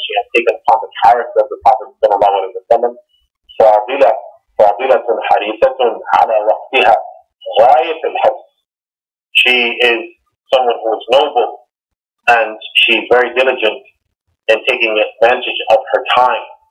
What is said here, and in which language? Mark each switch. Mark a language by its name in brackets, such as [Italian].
[English] She has taken upon the character of the Prophet [Arabic] صلى الله عليه وسلم. فاضلة فاضلة حريصة على وقتها غاية الحرص. [English] She is someone who is noble and she is very diligent in taking advantage of her time.